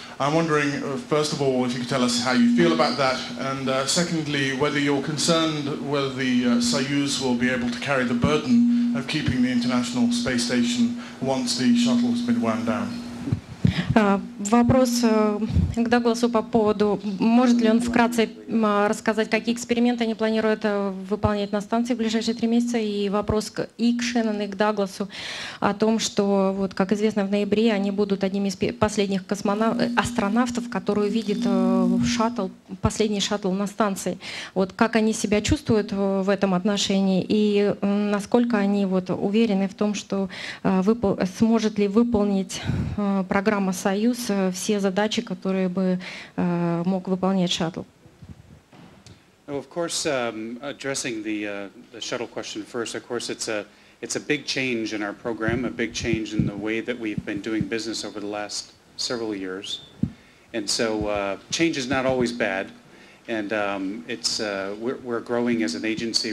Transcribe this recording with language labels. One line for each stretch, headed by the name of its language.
English: I'm wondering, first of all, if you could tell us how you feel about that, and secondly, whether you're concerned whether the Soyuz will be able to carry the burden of keeping the International Space Station once the shuttle has been wound down.
Russian: Вопрос к Дагласу по поводу, может ли он вкратце рассказать, какие эксперименты они планируют выполнять на станции в ближайшие 3 месяца. И вопрос к Шеннону и к Дагласу о том, что, вот, как известно, в ноябре они будут одними из последних астронавтов, которые увидят последний шаттл на станции. Вот, как они себя чувствуют в этом отношении и насколько они уверены в том, что сможет ли выполнить программа «Союз» все задачи, которые бы мог выполнять шаттл.
English: Well, of course, addressing the shuttle question first, of course, it's a big change in our program, a big change in the way that we've been doing business over the last several years. And so change is not always bad. And we're growing as an agency.